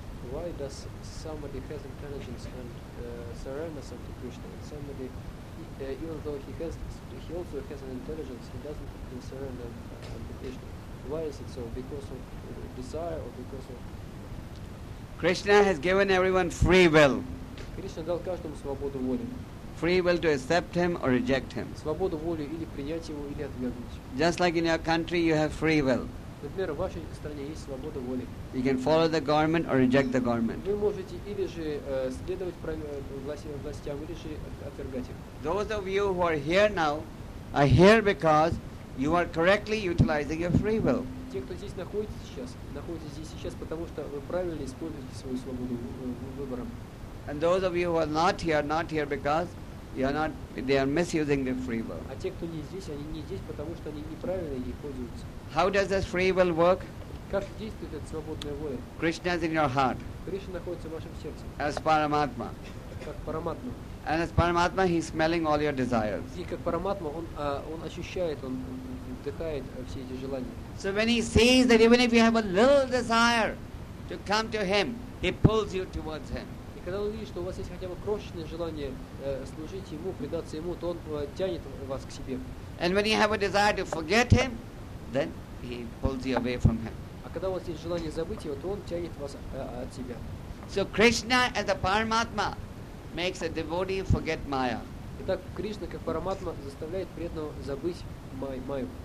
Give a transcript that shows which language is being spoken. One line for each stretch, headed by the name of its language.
English: Why does somebody has intelligence and surrenders unto Krishna? And somebody, even though he also has an intelligence, he doesn't surrender unto Krishna. Why is it so? Because of desire or because of? Krishna has given everyone free will.
Russian: Krishna дал каждому свободу воли.
English: Free will to accept him or reject him.
Russian: Свободу воли или принять его или отвергнуть.
English: Just like in your country, you have free will.
Russian: Например, в вашей стране есть свобода воли.
English: You can follow the government or reject the government.
Russian: Вы можете или же следовать властям, или же отвергать их.
English: Those of you who are here now are here because you are correctly utilizing your free will.
Russian: Те, кто здесь находитесь здесь сейчас, потому что вы правильно используете свою свободу выбором.
English: And those of you who are not here because they are misusing their free will.
Russian: А те, кто не здесь, они не здесь, потому что они неправильно ей пользуются.
English: How does this free will work?
Russian: Как действует эта свободная воля?
English: Krishna is in your heart.
Russian: Кришна находится в вашем сердце.
English: As Paramatma.
Russian: Как Параматма.
English: And as Paramatma, he's smelling all your desires.
Russian: И как Параматма, он ощущает, он вдыхает все эти желания.
English: So when he sees that even if you have a little desire to come to him, he pulls you towards him.
Russian: И когда он видит, что у вас есть хотя бы крошечное желание служить ему, предаться ему, то он тянет вас к себе.
English: And when you have a desire to forget him, then he pulls you away from him.
Russian: А когда у вас есть желание забыть его, то он тянет вас от себя.
English: So Krishna as a Paramatma makes a devotee forget Maya.
Russian: Итак, Кришна как Параматма заставляет преданного забыть Майю.